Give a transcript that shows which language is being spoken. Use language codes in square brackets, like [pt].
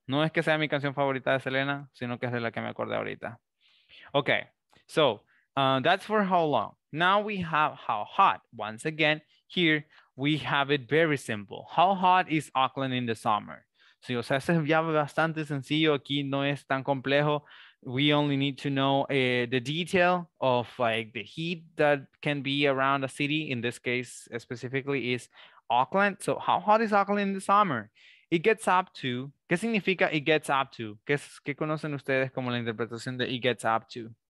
[es] No es que sea mi canción favorita de Selena, sino que es de la que me acordé ahorita. [en] Okay, so that's for how long. Now we have how hot. Once again, here we have it very simple. How hot is Auckland in the summer? [es] Sí, o sea, ese ya es bastante sencillo. Aquí no es tan complejo. [en] We only need to know the detail of like the heat that can be around a city. In this case, specifically, is Auckland. So how hot is Auckland in the summer? It gets up to, [es] ¿qué significa [en] it gets up to? [es] ¿Qué conocen ustedes como la interpretación de [en] it gets up to?